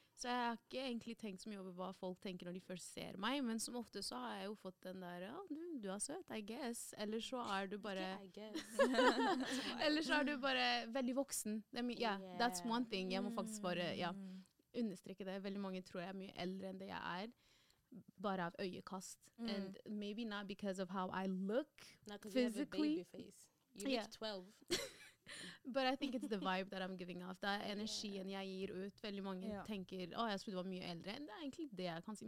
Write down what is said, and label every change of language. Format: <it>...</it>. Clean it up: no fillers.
<no>Så jeg har ikke egentlig tenkt så mye over hva folk tenker når de først ser meg. Men som ofte så har jeg jo fått den der, du er søt,</no> <en>I guess.</en> <no>Eller så er du bare... Eller så er du bare veldig voksen.</no> <en>I mean, yeah, that's one thing.</en> <no>Jeg må faktisk bare understreke det. Veldig mange tror jeg er mye eldre enn det jeg er. Bare av øyekast.</no> <en>And maybe not because of how I look physically. Not because you have a baby face. You look 12. But I think it's the vibe that I'm giving off.</en> <no>Det er energien jeg gir ut. Veldig mange tenker, jeg trodde du var mye eldre. Det er egentlig det jeg kan si.</no>